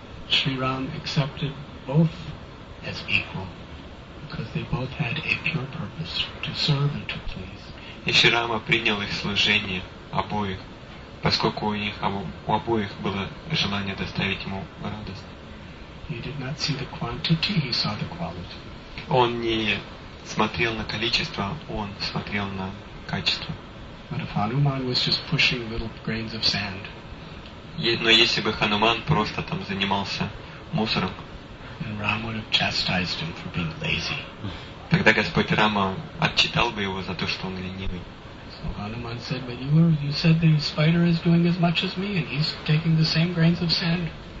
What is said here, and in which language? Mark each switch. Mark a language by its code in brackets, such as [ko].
[en] Sri Ram accepted both as equal, because they both had a pure purpose to serve and to please. [ru] И Шри Рама принял их служение обоих, поскольку у обоих было желание доставить ему радость. [en] He did not see the quantity, he saw the quality. [ru] Он не смотрел на количество, он смотрел на качество. [en] But if Hanuman was just pushing little grains of sand. [ru] Но если бы Хануман просто там занимался мусором, [en] then Ram would have chastised him for being lazy. [ru] Тогда Господь Рама отчитал бы его за то, что он ленивый. [en] So Hanuman said, but you said the spider is doing as much as me, and he's taking the same grains of sand.